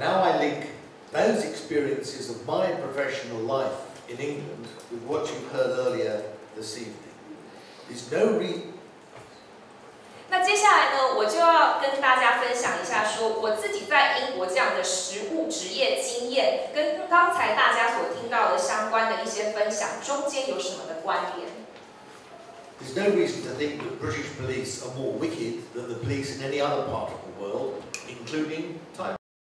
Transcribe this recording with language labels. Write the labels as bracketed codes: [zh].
[en] now I link those experiences of my professional life in England with what you heard earlier this evening. There's no reason. [zh] 那接下来呢，我就要跟大家分享一下，说我自己在英国这样的实务职业经验，跟刚才大家所听到的相关的一些分享中间有什么的关联。 [en] There's no reason to think that British police are more wicked than the police in any other part of the world, including Taiwan.